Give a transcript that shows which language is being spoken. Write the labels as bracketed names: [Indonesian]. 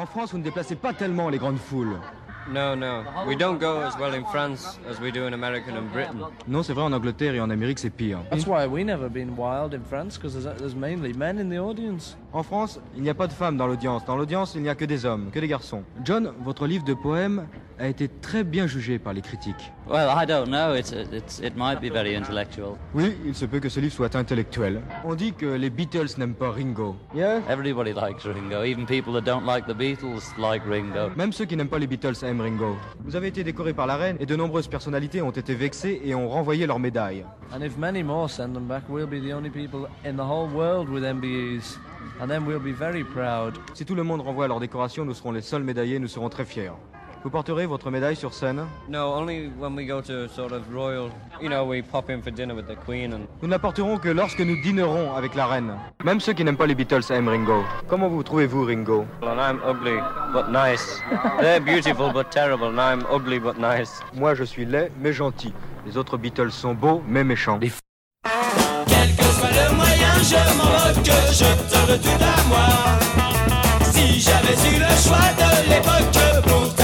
[French] Vous ne déplacez pas tellement les grandes foules. [English] No, no. We don't go as well in France as we do in America and Britain. [French] Non, c'est vrai, en Angleterre et en Amérique, c'est pire. [English] That's why we never been wild in France, because there's mainly men in the audience. [French] En France, il n'y a pas de femmes dans l'audience. Dans l'audience, il n'y a que des hommes, que des garçons. John, votre livre de poèmes a été très bien jugé par les critiques. [English] Well, I don't know. It might be very intellectual. [French] Oui, il se peut que ce livre soit intellectuel. On dit que les Beatles n'aiment pas Ringo. [English] Yeah. Everybody likes Ringo. Even people that don't like the Beatles like Ringo. [French] Même ceux qui n'aiment pas les Beatles aiment Ringo. Vous avez été décoré par la reine et de nombreuses personnalités ont été vexées et ont renvoyé leurs médailles. [English] And if many more send them back, we'll be the only people in the whole world with MBEs. And then we'll be very proud. [French] Si tout le monde renvoie leurs décorations, nous serons les seuls médaillés, nous serons très fiers. Vous porterez votre médaille sur scène? [English] No, only when we go to sort of royal, you know, we pop in for dinner with the Queen and... [French] Nous ne la porterons que lorsque nous dînerons avec la reine. Même ceux qui n'aiment pas les Beatles aiment Ringo. Comment vous trouvez-vous, Ringo? [English] Well, I'm ugly, but nice. They're beautiful, but terrible, and I'm ugly, but nice. [French] Moi, je suis laid, mais gentil. Les autres Beatles sont beaux, mais méchants. Quel que soit le moyen, je m'en moque, je t'aurai tout à moi. Si j'avais eu le choix de l'époque, pour